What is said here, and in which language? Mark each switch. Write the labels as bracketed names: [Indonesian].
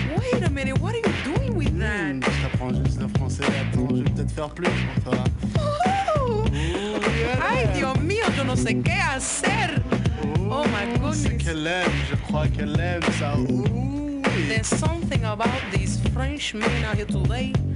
[English] Wait a minute, what are you doing with that? [French] Je t'apprends juste le français. Attends, je vais peut-être faire plus pour toi. Ooh, yeah. [Spanish] Ay, Dios mío, yo no sé qué hacer. [English] Oh my goodness. [French] C'est qu'elle aime, je crois qu'elle aime ça. Ooh. [English] There's something about these French men out here today.